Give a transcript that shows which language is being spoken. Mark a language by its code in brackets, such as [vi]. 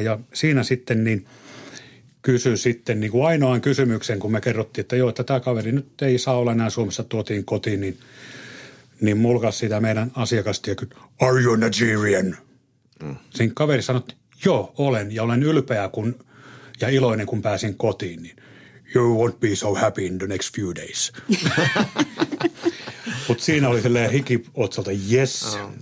[fi] Ja siinä sitten niin kysyi sitten niin kuin ainoan kysymyksen, kun me kerrottiin, että joo, että tämä kaveri nyt ei saa olla enää Suomessa, tuotiin kotiin, niin mulkasi sitä meidän asiakasta ja kysyi, [en] are you Nigerian? [fi] Siinä kaveri sanoi, että joo, olen ja olen ylpeä ja iloinen, kun pääsin kotiin. [en] Niin, you won't be so happy in the next few days. [fi] Mutta siinä oli silleen hiki otsalta, yes.